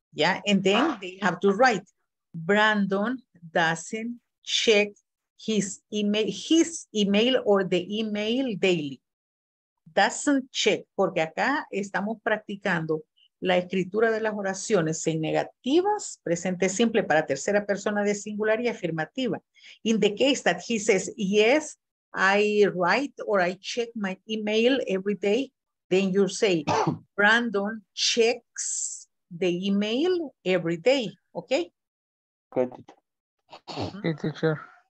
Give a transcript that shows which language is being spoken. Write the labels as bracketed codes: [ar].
[en] Yeah, and then they have to write, Brandon doesn't check his email or the email daily. Doesn't check, [es] porque acá estamos practicando la escritura de las oraciones en negativas, presente simple para tercera persona de singular y afirmativa. [en] In the case that he says, yes, I write or I check my email every day, then you say, Brandon checks the email every day, okay? Good. Okay, teacher.